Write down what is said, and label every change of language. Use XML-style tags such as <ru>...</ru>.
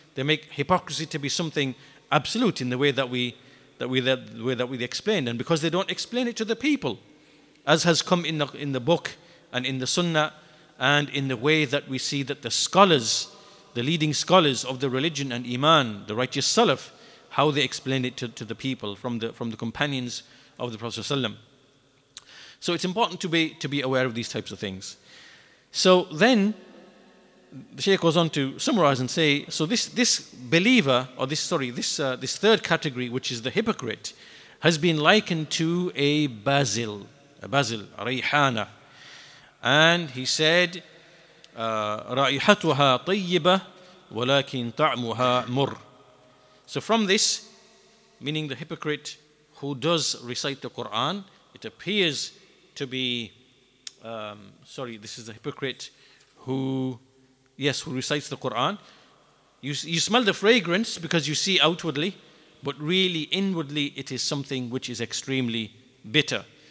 <en>They make hypocrisy to be something absolute in the way that we explained, and because they don't explain it to the people, as has come in the book and in the Sunnah, and in the way that we see that the scholars, the leading scholars of the religion and Iman, the righteous Salaf, how they explain it to the people from the companions of the Prophet ﷺ. So it's important to be aware of these types of things. So then the Shaykh goes on to summarize and say, so this third category, which is the hypocrite, has been likened to a basil, a rayhana. And he said,</en> <ar>رائحتها طيبة ولكن طعمها مر.</ar> <en>So from this, meaning the hypocrite who does recite the Quran, it appears to be, this is the hypocrite who recites the Quran. You smell the fragrance because you see outwardly, but really inwardly it is something which is extremely bitter.</en>